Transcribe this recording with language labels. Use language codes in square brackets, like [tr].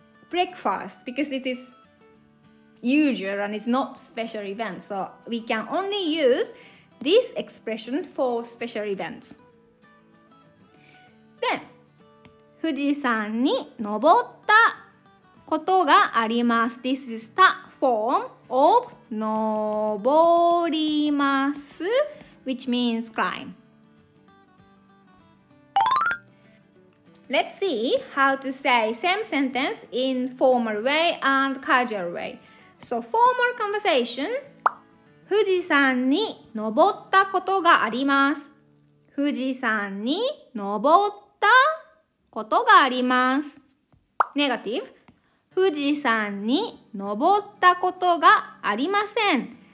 [en] Breakfast, because it is usual and it's not special event. So we can only use this expression for special events. Then, [ja] 富士山に登ったことがあります。 [en] This is the form of 登ります which means climb. Let's see how to say same sentence in formal way and casual way. So formal conversation. [ja] 富士山に登ったことがあります。富士山に登ったことがあります。 [en] Negative. [ja] 富士山に登ったことがありません。